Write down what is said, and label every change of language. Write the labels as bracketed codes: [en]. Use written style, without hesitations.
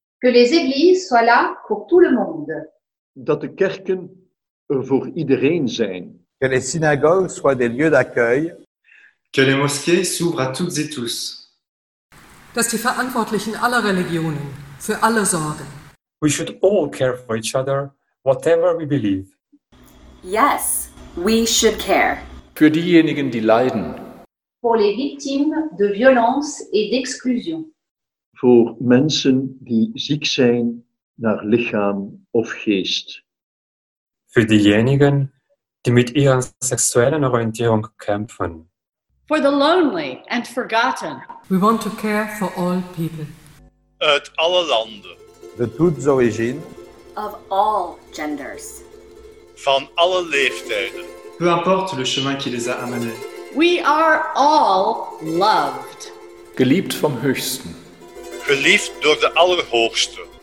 [fr] Que les églises soient là pour tout le monde. [nl] Dat de kerken er voor iedereen zijn. [fr] Que les synagogues soient des lieux d'accueil. Que les mosquées s'ouvrent à toutes et tous. [de] Dass die Verantwortlichen aller Religionen für alle sorgen. [en] We should all care for each other, whatever we believe. Yes, we should care. [de] Für diejenigen, die leiden. [fr] Pour les victimes de violence et d'exclusion. [nl] Voor mensen die ziek zijn naar lichaam of geest. [de] Für diejenigen, die mit ihrer sexuellen Orientierung kämpfen. [en] For the lonely and forgotten. We want to care for all people. [nl] Uit alle landen. [fr] De toutes origines. [en] Of all genders. [nl] Van alle leeftijden. [fr] Peu importe le chemin qui les a amenés. [en] We are all loved. [de] Geliebt vom Höchsten. [nl] Geliefd door de Allerhoogste.